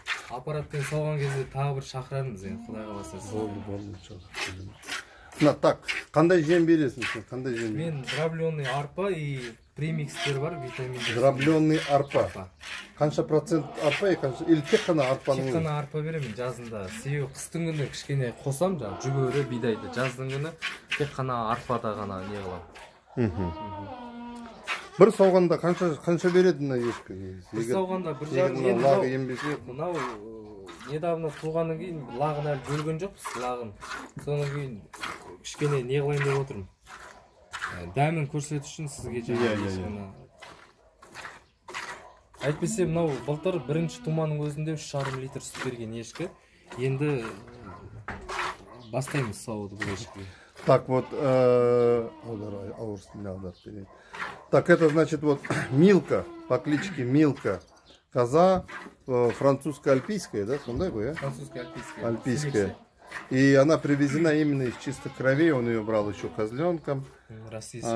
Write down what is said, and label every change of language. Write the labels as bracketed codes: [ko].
[kk] Аппаратпен салған кезде тағы бір шақырамыз енді, Құдай қаласа. Болды, болды, жақсы. Мына так, қандай жем бересің сен? Қандай жем? Мен дробленный арпа и премикстер бар, витамин. Дробленный арпа. Қанша процент арпа, и қанша или тек қана арпаның? Тек қана арпа беремін жазында. Себебі қыстың күні кішкене қосам, жа, жүгері, бидайды. Жаздың күні тек қана арпада ғана не қылам. Бір сауғанда қанша береді мына ешкі? Бір сауғанда 1.5 кг лағы ембесе. Мынау недавно туғаннан кейін лағын әлі бөлген жоқпыз, лағын. Содан кейін кішкене не қылайын деп отырмын. Дәмін көрсету үшін сізге жағдайын. Әйтпесе мынау былтыр бірінші туманың өзінде 3.5 литр сүт берген ешкі. Енді бастаймыз сауды бұл ешкіге. Так вот, аударай, аурсын, аударып береді. [ru] Так, это значит вот Милка, по кличке Милка, коза французско-альпийская, да, [kk] сондай ғой, а? [ru] Французско-альпийская. Альпийская. И она привезена именно из чистых кровей, он ее брал еще козленком. Российская.